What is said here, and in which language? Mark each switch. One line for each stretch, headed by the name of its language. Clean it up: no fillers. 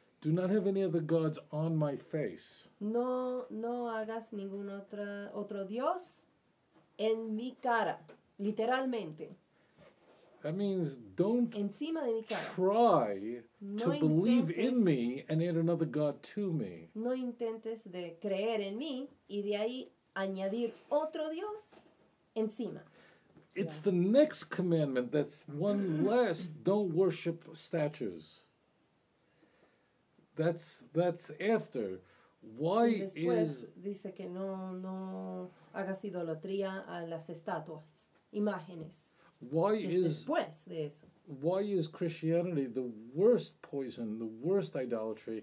English: Do not have any other gods on my face.
Spanish: No hagas ningún otro Dios en mi cara, literalmente.
English: That means don't
Spanish: encima de mi cara.
English: Try to believe in me and add another god to me.
Spanish: No intentes de creer en mí y de ahí añadir otro Dios encima.
English: It's the next commandment that's one less, don't worship statues. That's after. Why is
Spanish: dice que no hagas idolatría a las estatuas, imágenes.
English: Why is
Spanish: después de eso?
English: Why is Christianity the worst poison, the worst idolatry?